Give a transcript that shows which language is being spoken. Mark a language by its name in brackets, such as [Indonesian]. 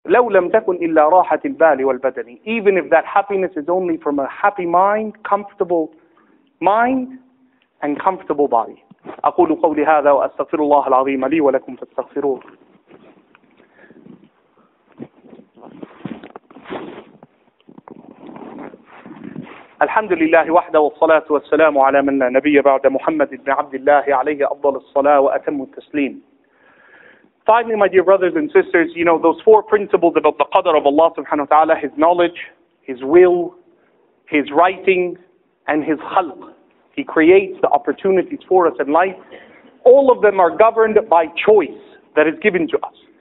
[Arabic] لو لم تكن إلا راحة البال والبدن. [English] Even if that happiness is only from a happy mind, comfortable mind, and comfortable body. [Arabic] أقول قولي هذا وأستغفر الله العظيم لي ولكم فاستغفروه. الحمد لله وحده والصلاة والسلام على من لا نبي بعد محمد بن عبد الله عليه أفضل الصلاة وأتم التسليم. [English] Finally, my dear brothers and sisters, you know, those four principles about the qadr of Allah subhanahu wa ta'ala, his knowledge, his will, his writing, and his khalq. He creates the opportunities for us in life. All of them are governed by choice that is given to us.